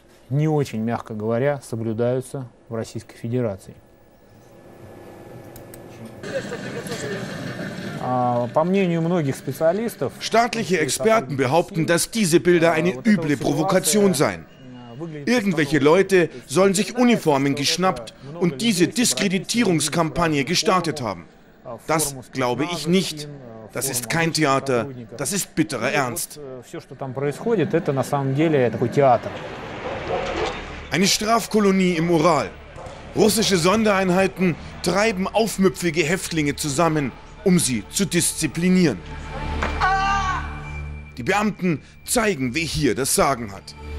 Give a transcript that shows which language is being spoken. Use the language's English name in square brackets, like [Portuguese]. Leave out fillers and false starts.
[Russian] Не очень, мягко говоря, соблюдаются в Российской Федерации. По мнению многих специалистов, [German] staatliche Experten behaupten, dass diese Bilder eine üble Provokation seien. Irgendwelche Leute sollen sich Uniformen geschnappt und diese Diskreditierungskampagne gestartet haben. Das glaube ich nicht. Das ist kein Theater, das ist bitterer Ernst. [Russian] Все, что там происходит, это на самом деле такой театр. [German] Eine Strafkolonie im Ural. Russische Sondereinheiten treiben aufmüpfige Häftlinge zusammen, um sie zu disziplinieren. Die Beamten zeigen, wer hier das Sagen hat.